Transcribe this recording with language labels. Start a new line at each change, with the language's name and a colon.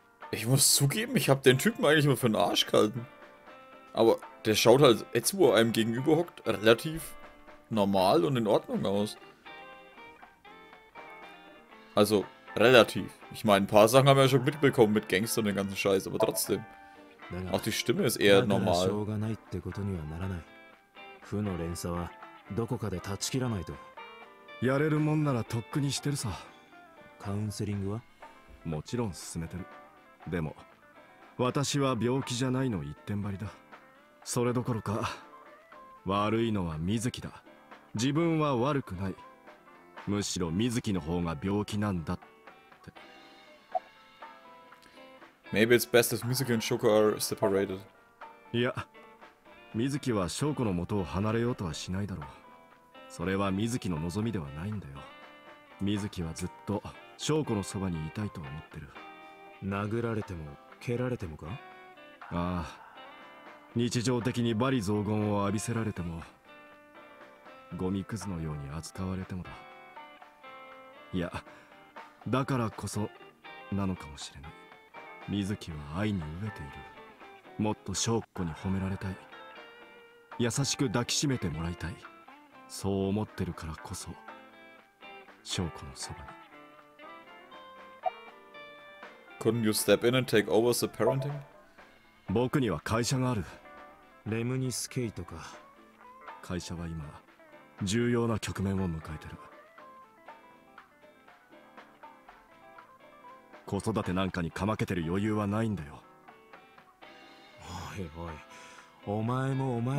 German: Ich muss zugeben, ich habe den Typen eigentlich immer für einen Arsch gehalten. Aber der schaut halt jetzt, wo er einem gegenüber hockt, relativ normal und in Ordnung aus. Also relativ. Ich meine, ein paar Sachen haben wir ja schon mitbekommen mit Gangstern und dem ganzen Scheiß, aber trotzdem.
Japanese: だが、
German: Ach, die Stimme ist eher normal.
Japanese: だからしょうがないってことにはならない。負の連鎖はどこかで断ち切らないと。やれるもんならとっくにしてるさ。カウンセリングはもちろん進めてる。でも私は病気じゃないの一点張りだ。それどころか悪いのは瑞希だ。自分は悪くない。むしろ瑞希の方が病気なんだ。
English: Maybe it's best if Mizuki and Shoko are separated.
Japanese: Yeah, Mizuki は Shoko の元を離れようとはしないだろう。それは Mizuki の望みではないんだよ。Mizuki はずっと Shoko のそばにいたいと思ってる。殴られても蹴られてもか？ああ、日常的に罵詈雑言を浴びせられても、ゴミクズのように扱われてもだ。いや、だからこそなのかもしれない。瑞希は愛に飢えている。もっと翔子に褒められたい。優しく抱きしめてもらいたい。そう思ってるからこそ翔子のそばに。
English: Couldn't you step in and take over the parenting?
Japanese: 僕には会社がある。レムニスケイトか。会社は今重要な局面を迎えてる。子育てなんかにかまけてる余裕はないんだよ。おいおい、お前もお前